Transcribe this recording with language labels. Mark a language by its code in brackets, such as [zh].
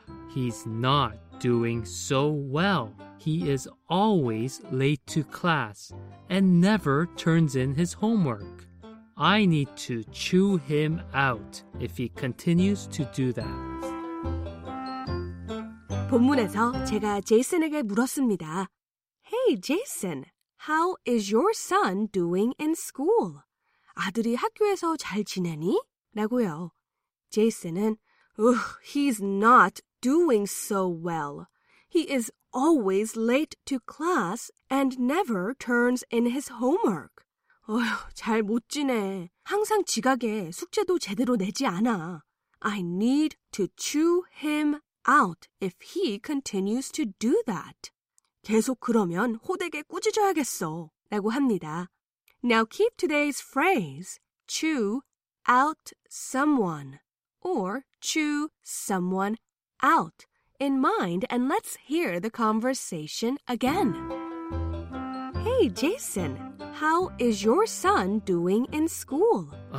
[en] He's not doing so well. He is always late to class and never turns in his homework. I need to chew him out if he continues to do that. [ko] 본문에서 제가 제이슨에게 물었습니다. [en] Hey, Jason, how is your son doing in school? [ko] 아들이 학교에서 잘 지내니? 라고요. [en] 제이슨은, he's not doing so well. He is always late to class and never turns in his homework. [ko] 잘 못 지내. 항상 지각해. 숙제도 제대로 내지 않아. [en] I need to chew him out if he continues to do that. [ko] 계속 그러면 호되게 꾸짖어야겠어. 라고 합니다. [en] Now keep today's phrase, chew out someone or chew someone out in mind and let's hear the conversation again. Hey, Jason, how is your son doing in school?